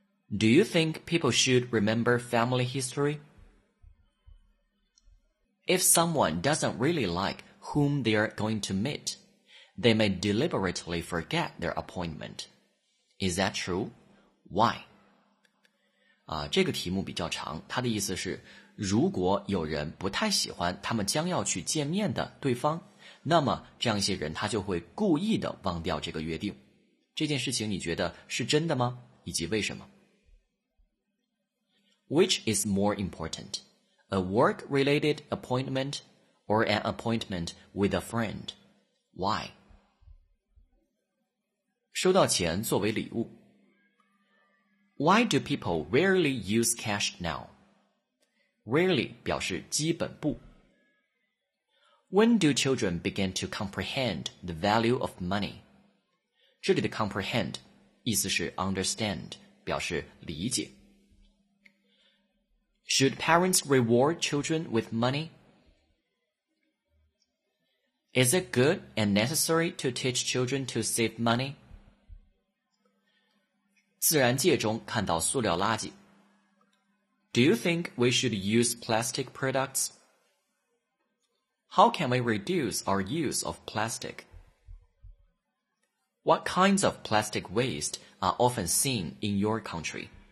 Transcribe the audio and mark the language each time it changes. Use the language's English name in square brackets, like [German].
[English] Do you think people should remember family history? If someone doesn't really like whom they are going to meet, they may deliberately forget their appointment. Is that true? Why? [Chinese] 这个题目比较长，它的意思是，如果有人不太喜欢他们将要去见面的对方，那么这样一些人他就会故意的忘掉这个约定。这件事情你觉得是真的吗？以及为什么？ [English] Which is more important? A work-related appointment or an appointment with a friend? Why? [Chinese] 收到钱作为礼物。 [English] Why do people rarely use cash now? [Chinese] Rarely 表示基本不。 [English] When do children begin to comprehend the value of money? [Chinese] 这里的 comprehend 意思是 understand, 表示理解。 [English] Should parents reward children with money? Is it good and necessary to teach children to save money? [Chinese] 自然界中看到塑料垃圾。 [English] Do you think we should use plastic products? How can we reduce our use of plastic? What kinds of plastic waste are often seen in your country?